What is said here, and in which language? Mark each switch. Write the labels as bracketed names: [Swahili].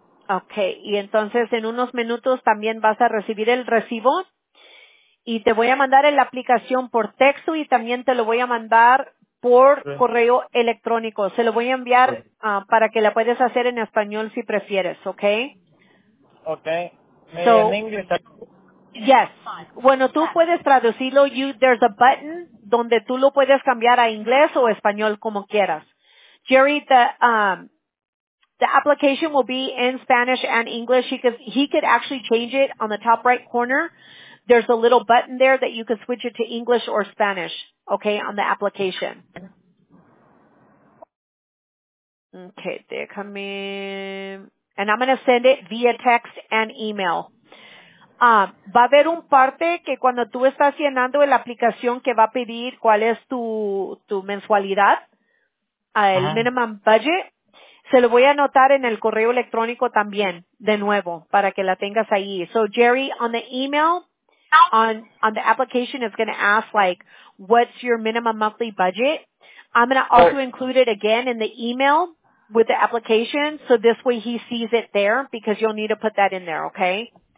[Spanish] Okay, y entonces en unos minutos también vas a recibir el recibo y te voy a mandar la aplicación por texto y también te lo voy a mandar por correo electrónico. Se lo voy a enviar para que la puedes hacer en español si prefieres, ¿okay? Okay. So, en inglés. Yes. Bueno, tú puedes traducirlo. [English] There's a button [Spanish] donde tú lo puedes cambiar a inglés o español como quieras. [English] Jerry, the application will be in Spanish and English. He could actually change it on the top right corner. There's a little button there that you can switch it to English or Spanish, okay, on the application. Okay, déjame. And I'm going to send it via text and email. [Spanish] Va a haber un parte que cuando tú estás llenando la aplicación que va a pedir cuál es tu mensualidad, el minimum budget, se lo voy a anotar en el correo electrónico también, de nuevo, para que la tengas ahí. [English] So, Jerry, on the email, on the application, it's going to ask, like, what's your minimum monthly budget? I'm going to also include it again in the email with the application, so this way he sees it there, because you'll need to put that in there, okay?